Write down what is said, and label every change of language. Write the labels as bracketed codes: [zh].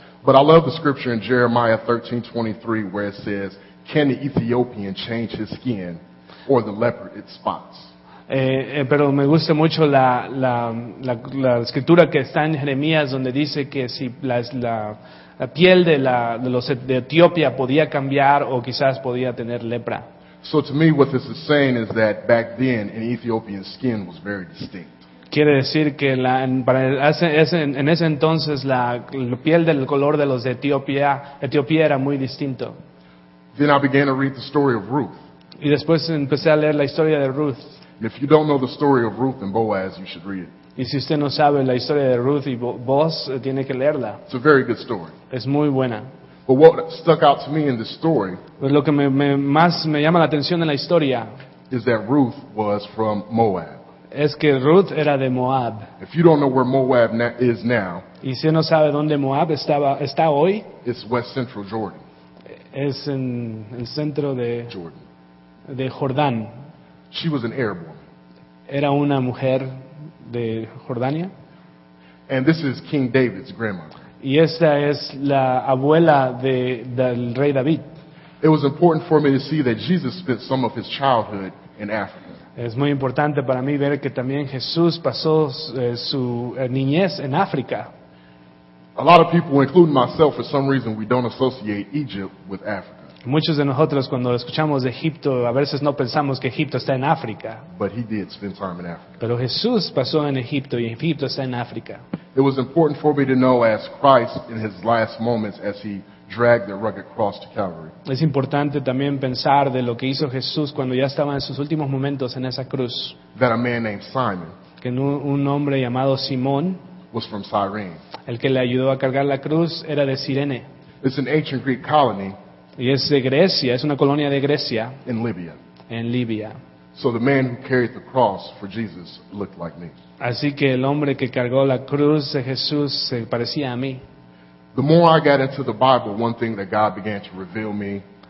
[en] But I love the scripture in Jeremiah 13:23 where it says, "Can the Ethiopian change his skin, or the leopard its spots?" [es] Pero me gusta mucho la escritura que está en Jeremías donde dice que si la piel de Etiopía podía cambiar o quizás podía tener lepra. [en] So to me, what this is saying is that back then, an Ethiopian skin was very distinct. [es] Quiere decir que en ese entonces la piel del color de los de Etiopía era muy distinto. [en] Then I began to read the story of Ruth. [es] Y después empecé a leer la historia de Ruth. [en] If you don't know the story of Ruth and Boaz, you should read it. [es] Y si usted no sabe la historia de Ruth y Boaz, tiene que leerla. [en] It's a very good story. [es] Es muy buena. [en] But what stuck out to me in this story, [es] pues lo que más me llama la atención en la historia, [en] is that Ruth was from Moab. [es] Es que Ruth era de Moab. [en] If you don't know where Moab is now, [es] y si no sabe dónde Moab está hoy, [en] it's West Central Jordan. [es] Es en el centro de [en] Jordan. [es] De Jordán. [en] She was an Arab woman. [es] Era una mujer de Jordania. [en] And this is King David's grandmother. [es] Y esta es la abuela del rey David. [en] It was important for me to see that Jesus spent some of his childhood in Africa. [es] Es muy importante para mí ver que también Jesús pasó su niñez en África. [en] A lot of people, including myself, for some reason, we don't associate Egypt with Africa. [es] Muchos de nosotros cuando escuchamos de Egipto, a veces no pensamos que Egipto está en África. [en] But he did spend time in Africa. [es] Pero Jesús pasó en Egipto y Egipto está en África. [en] It was important for me to know as Christ in his last moments as he dragged the rugged cross to Calvary. [es] Es importante también pensar de lo que hizo Jesús cuando ya estaba en sus últimos momentos en esa cruz. [en] That a man named Simon, [es] que un hombre llamado Simón, [en] was from Cyrene. [es] El que le ayudó a cargar la cruz era de Cirene. [en] It's an ancient Greek colony. [es] Y es de Grecia, es una colonia de Grecia. [en] In Libya. [es] En Libia. [en] So the man who carried the cross for Jesus looked like me. [es] Así que el hombre que cargó la cruz de Jesús se parecía a mí. [en] The more I got into the Bible, one thing that God began to reveal me,